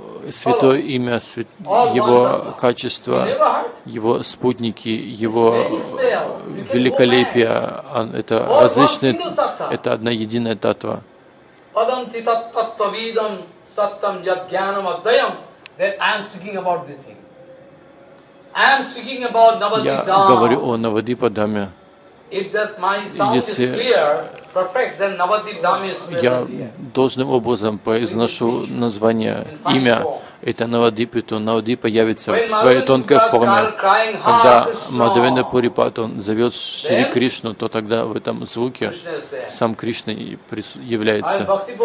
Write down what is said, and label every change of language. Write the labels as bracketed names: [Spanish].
[Russian] святое имя, его качество, его спутники, его великолепие, это различные, это одна единая татва. [Sanskrit] Падам титат татва видам саттам ядгьянам аддаям. [English] Then I am speaking about this thing. I am speaking about Navadipa. [Russian] Я говорю о Навадипа Даме. [English] If that my sound is clear, perfect, then Navadipa Dham is present. [Russian] Я должным образом произношу название, имя. Это Навадипа, то Навадипа явится в своей тонкой форме. Когда Мадхавендра Пурипад, он зовет Шри Кришну, то тогда в этом звуке сам Кришна является.